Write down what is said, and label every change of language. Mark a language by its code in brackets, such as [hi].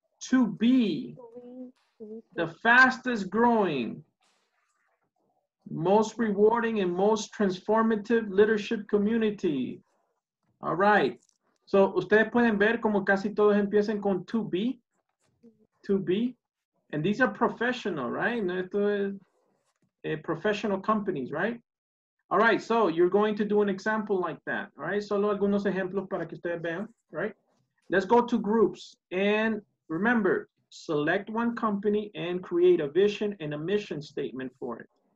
[en] To be the fastest growing, most rewarding and most transformative leadership community. All right. [es] So, ustedes pueden ver como casi todos empiezan con [en] to be. To be. And these are professional, right? [es] Esto es [en] professional companies, right? All right. So, you're going to do an example like that. All right. [es] Solo algunos ejemplos para que ustedes vean, [en] right? Let's go to groups. And remember, select one company and create a vision and a mission statement for it.